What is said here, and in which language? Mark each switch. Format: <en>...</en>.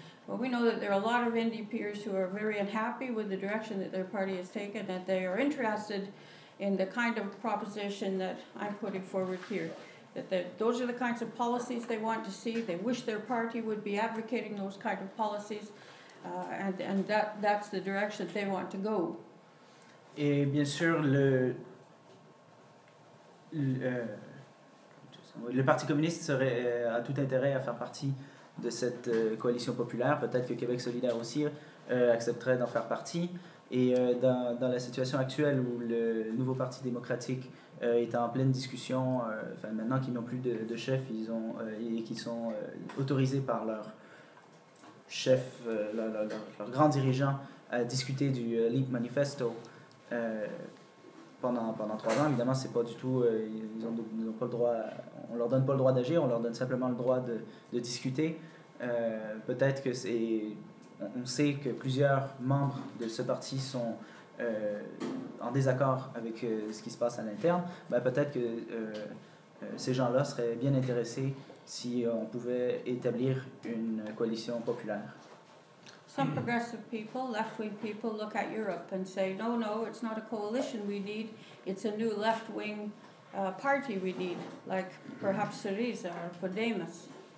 <en>Well, we know that there are a lot of NDPers who are very unhappy with the direction that their party has taken, that they are interested in the kind of proposition that I'm putting forward here, that those are the kinds of policies they want to see. They wish their party would be advocating those kind of policies, and that's the direction they want to go.</en> <fr>Et bien sûr, le Parti communiste a tout intérêt à faire partie de cette coalition populaire. Peut-être que Québec solidaire aussi accepterait d'en faire partie. Et dans la situation actuelle où le nouveau Parti démocratique est en pleine discussion, maintenant qu'ils n'ont plus de chef, ils ont et qu'ils sont autorisés par leur chef, leur grand dirigeant, à discuter du LEAP manifesto pendant 3 ans, évidemment, c'est pas du tout. Ils ont pas le droit. On leur donne pas le droit d'agir. On leur donne simplement le droit de discuter. Peut-être que c'est. On sait que plusieurs membres de ce parti sont en désaccord avec ce qui se passe à l'interne. Ben, peut-être que ces gens-là seraient bien intéressés si on pouvait établir une coalition populaire.</fr> <en>Some progressive people, left-wing people, look at Europe and say, no, no, it's not a coalition we need, it's a new left-wing party we need, like perhaps Syriza or Podemos.</en>